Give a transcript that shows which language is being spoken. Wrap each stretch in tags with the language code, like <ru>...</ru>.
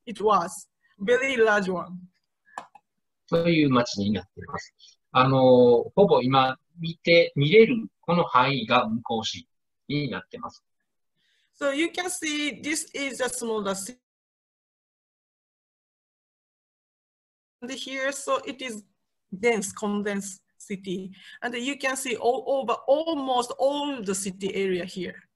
<en>It was very large one.</en> <ja>そういう街になっています。ほぼ今見れるこの範囲が向こう市になっています。</ja> <en>So you can see this is a smaller city. And here, so it is dense, condensed city. And you can see all over, almost all the city area here.</en>